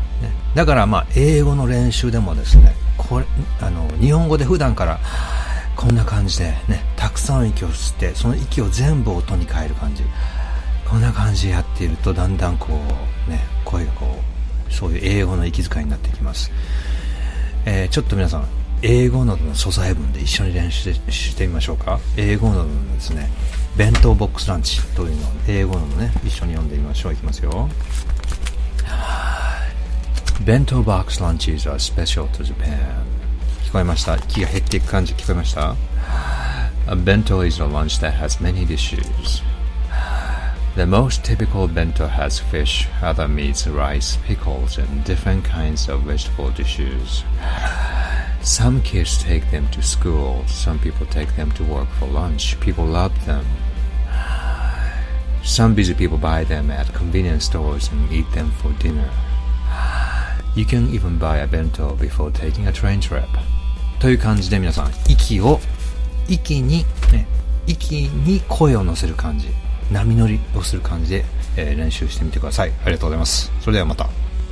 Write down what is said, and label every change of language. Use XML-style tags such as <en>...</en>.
<ja>ね、だからまあ英語の練習でもですね、これ日本語で普段からこんな感じで、ね、たくさん息を吸って、その息を全部音に変える感じ、こんな感じでやっているとだんだんこうね、声がこう、そういう英語の息遣いになっていきます。ちょっと皆さん、英語のどの素材文で一緒に練習してみましょうか。英語のどのですね、弁当ボックスランチというのを英語のどね、一緒に読んでみましょう。いきますよ。</ja> <en>弁当ボックスランチ is a special to Japan。</en> <ja>聞こえました？息が減っていく感じ聞こえました？</ja> <en>A bento is a lunch that has many dishes。 The most typical bento has fish, other meats, rice, pickles, and different kinds of vegetable dishes. Some kids take them to school. Some people take them to work for lunch. People love them. Some busy people buy them at convenience stores and eat them for dinner. You can even buy a bento before taking a train trip.</en> <ja>という感じで、皆さん、息に声を乗せる感じ、波乗りをする感じで、練習してみてください。ありがとうございます。それではまた。</ja>